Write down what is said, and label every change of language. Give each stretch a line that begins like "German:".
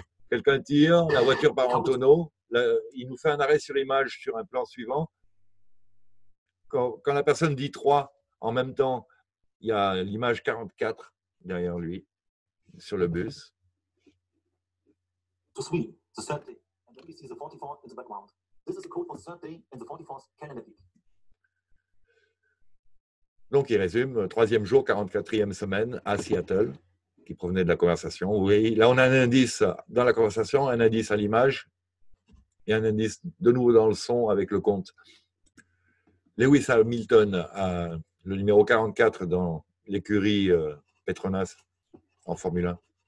French: Quelqu'un tire, la voiture part en tonneau. Il nous fait un arrêt sur l'image sur un plan suivant. Quand la personne dit 3, en même temps, il y a l'image 44 derrière lui, sur le bus.
English: To Sweden, the third day. And then we see the 44 in the background. This is the code for the third day in the 44th calendar week.
French: Donc, il résume, troisième jour, 44e semaine à Seattle. Qui provenait de la conversation. Oui, là on a un indice dans la conversation, un indice à l'image et un indice de nouveau dans le son avec le compte. Lewis Hamilton, le numéro 44 dans l'écurie Petronas en Formule 1.